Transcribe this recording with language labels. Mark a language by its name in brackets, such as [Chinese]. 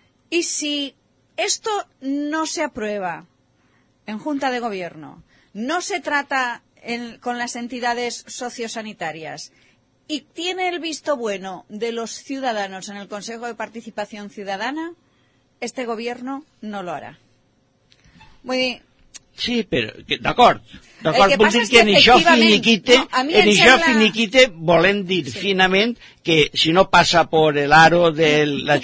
[Spanish] Y si esto no se aprueba en Junta de Gobierno, no se trata con las entidades sociosanitarias y tiene el visto bueno de los ciudadanos en el Consejo de Participación Ciudadana, este gobierno no lo hará. Muy bien. [Catalan] Sí, pero, d'acord, vull dir que en això finiquite, no, en això finiquite volem dir sí. Finament que si no passa [Spanish] por el aro de la Junta...